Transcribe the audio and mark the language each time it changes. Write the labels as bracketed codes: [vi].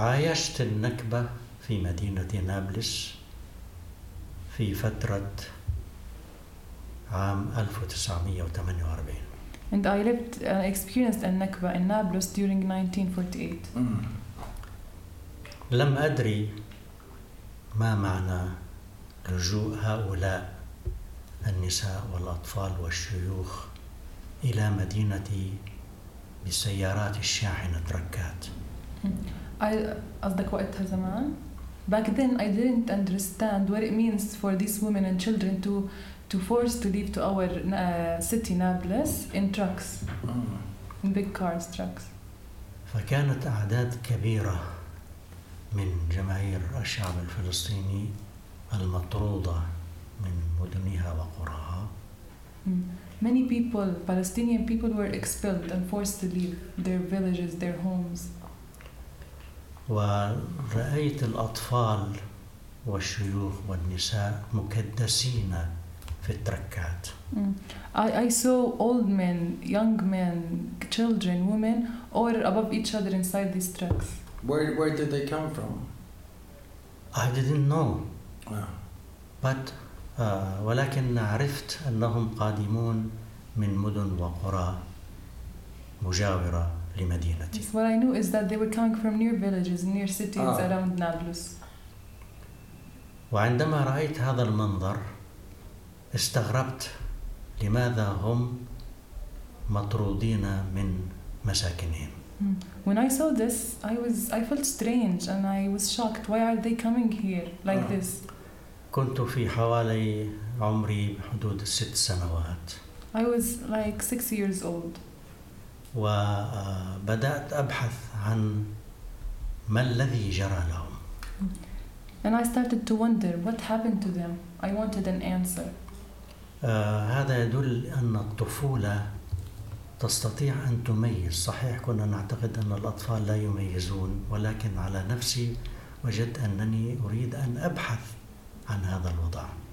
[ar] وعايشت النكبة في مدينة نابلس في فترة عام 1948. [en] And I lived and experienced a Nakba in Nablus during 1948. [ar] لم أدري ما معنى لجوء هؤلاء النساء والأطفال والشيوخ إلى مدينتي بسيارات الشاحنة تركات. أصدق وقتها زمان. [en] Back then I didn't understand what it means for these women and children to force to leave to our city Nablus in trucks, in big cars, trucks. [ar] فكانت أعداد كبيرة من جماهير الشعب الفلسطيني المطرودة من مدنها وقراها. [en] Many people, Palestinian people, were expelled and forced to leave their villages, their homes. [ar] ورأيت الأطفال والشيوخ والنساء مكدسين في التركات. [en] I saw old men, young men, children, women, or above each other inside these trucks. Where did they come from? I didn't know. Yeah. [ar] But ولكن عرفت أنهم قادمون من مدن وقرى مجاورة لمدينتي. [en] What I knew is that they were coming from near villages, near cities around Nablus. [ar] وعندما رأيت هذا المنظر استغربت لماذا هم مطرودين من مساكنهم. [en] When I saw this, I felt strange and I was shocked. Why are they coming here like this? [ar] كنت في حوالي عمري حدود 6 سنوات. [en] I was like 6 years old. [ar] وبدأت أبحث عن ما الذي جرى لهم. [en] And I started to wonder what happened to them. I wanted an answer. [ar] هذا يدل أن الطفولة تستطيع أن تميز. صحيح كنا نعتقد أن الأطفال لا يميزون، ولكن على نفسي وجدت أنني أريد أن أبحث عن هذا الوضع.